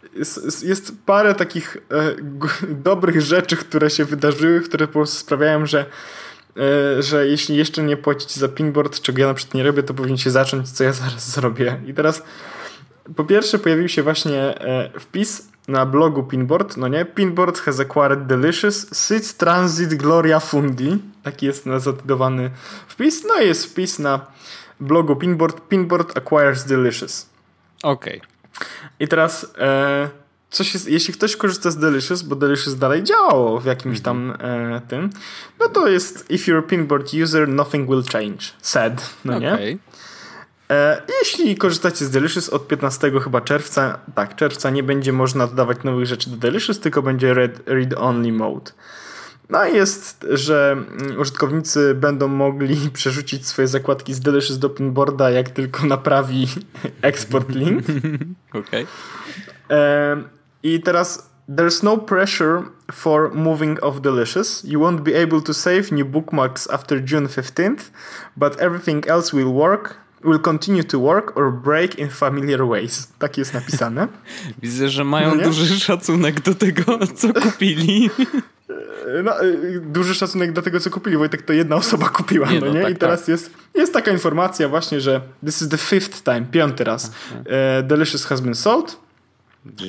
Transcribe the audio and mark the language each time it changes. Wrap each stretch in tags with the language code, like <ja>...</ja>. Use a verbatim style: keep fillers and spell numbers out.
<pl>Jest, jest parę takich e, g- dobrych rzeczy, które się wydarzyły, które po prostu sprawiają, że, e, że jeśli jeszcze nie płacić za Pinboard, czego ja na przykład nie robię, to powinien się zacząć, co ja zaraz zrobię. I teraz po pierwsze pojawił się właśnie e, wpis na blogu Pinboard, no nie?</pl> <en>Pinboard has acquired Delicious, Sit Transit Gloria Fundi.</en> <pl>Taki jest zatytułowany wpis. No i jest wpis na blogu Pinboard,</pl> <en>Pinboard acquires Delicious.</en> <pl>Okej. Okay. I teraz e, coś jest, jeśli ktoś korzysta z Delicious, bo Delicious dalej działało w jakimś tam e, tym, no to jest</pl> <en>if you're a Pinboard user, nothing will change.</en> <pl>Sad, no okay. nie? E, jeśli korzystacie z Delicious od piętnastego chyba czerwca, tak, czerwca nie będzie można dodawać nowych rzeczy do Delicious, tylko będzie read, read only mode. No i jest, że użytkownicy będą mogli przerzucić swoje zakładki z Delicious do Pinboarda, jak tylko naprawi export link. Okej.</pl> <en>Okay.</en> <pl>I teraz</pl> <en>there's no pressure for moving off Delicious. You won't be able to save new bookmarks after June fifteenth, but everything else will work, will continue to work or break in familiar ways.</en> <pl>Tak jest napisane. Widzę, że mają no duży szacunek do tego, co kupili. No, duży szacunek do tego, co kupili. Wojtek, to jedna osoba kupiła, nie, no nie? Tak, i teraz tak. jest, jest taka informacja właśnie, że</pl> <en>this is the fifth time,</en> <pl>piąty raz</pl> <en>uh, Delicious has been sold. Jesus.</en>